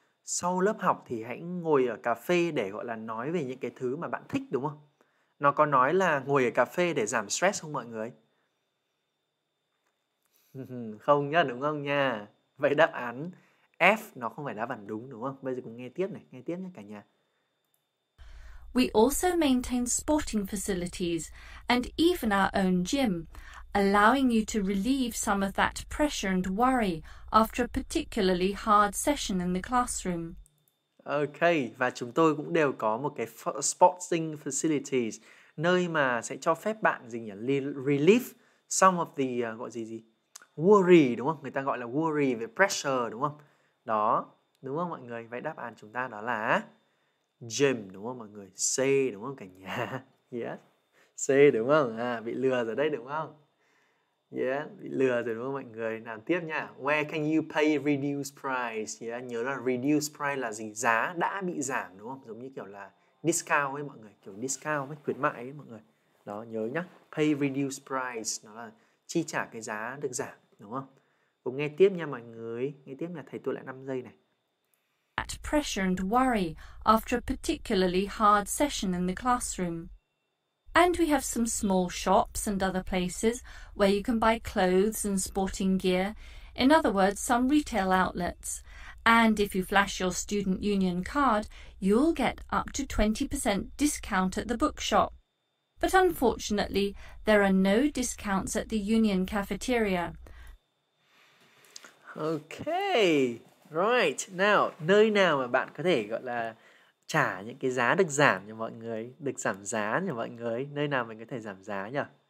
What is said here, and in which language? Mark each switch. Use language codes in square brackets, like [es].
[vi] Sau lớp học thì hãy ngồi ở cà phê để gọi là nói về những cái thứ mà bạn thích, đúng không? Nó có nói là ngồi ở cà phê để giảm stress không mọi người? Không nhá, đúng không nha? Vậy đáp án F nó không phải đáp án đúng, đúng không? Bây giờ cùng nghe tiếp này, nghe tiếp nhé cả nhà. [en] We also maintain sporting facilities and even our own gym, allowing you to relieve some of that pressure and worry after a particularly hard session in the classroom. [vi] Okay, và chúng tôi cũng đều có một cái sporting facilities, nơi mà sẽ cho phép bạn gì nhỉ? [en] Relieve some of the [vi] gọi gì gì? [en] Worry [vi] đúng không? Người ta gọi là worry về pressure đúng không? Đó, đúng không mọi người? Vậy đáp án chúng ta đó là gym đúng không mọi người? C đúng không cả nhà? Yes. C đúng không? À, bị lừa rồi đấy đúng không? Yeah, bị lừa rồi đúng không mọi người? Làm tiếp nha. [en] Where can you pay reduced price? Yeah, [vi] nhớ là [en] reduced price [vi] là gì? Giá đã bị giảm đúng không? Giống như kiểu là discount ấy mọi người. Kiểu discount ấy, khuyến mại ấy mọi người. Đó, nhớ nhá. [en] Pay reduced price. [vi] Nó là chi trả cái giá được giảm đúng không? Cùng nghe tiếp nha mọi người. Nghe tiếp nha. Thầy tôi lại 5 giây này. [en] At pressure and worry after a particularly hard session in the classroom. And we have some small shops and other places where you can buy clothes and sporting gear. In other words, some retail outlets. And if you flash your student union card, you'll get up to 20% discount at the bookshop. But unfortunately, there are no discounts at the union cafeteria. Okay, right. [vi] Now, nơi nào mà bạn có thể gọi là trả những cái giá được giảm cho mọi người, được giảm giá cho mọi người, nơi nào mình có thể giảm giá nhỉ?